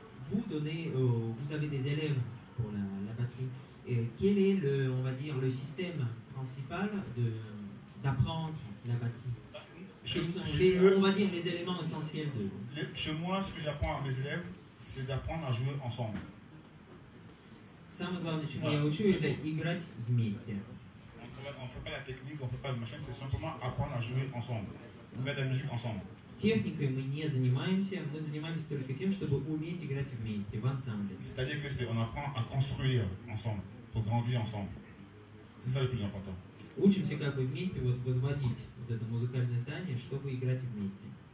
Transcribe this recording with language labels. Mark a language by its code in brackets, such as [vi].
[fr] Vous avez des élèves pour la batterie. Quel est le, on va dire, le système principal d'apprendre la batterie? Les éléments essentiels de... Chez moi, ce que j'apprends à mes élèves, c'est d'apprendre à jouer ensemble. [ru] Самое главное, чему я учу, это играть вместе. [fr] On fait pas la technique, on fait pas le machin, c'est simplement apprendre à jouer ensemble. Vous faites la musique ensemble. [ru] Техникой мы не занимаемся, мы занимаемся только тем, чтобы уметь играть вместе, в ансамбле. [fr] C'est-à-dire que on apprend à construire ensemble, pour grandir ensemble. C'est ça le plus important. [ru] Учимся как бы вместе вот возводить вот это музыкальное здание, чтобы играть вместе.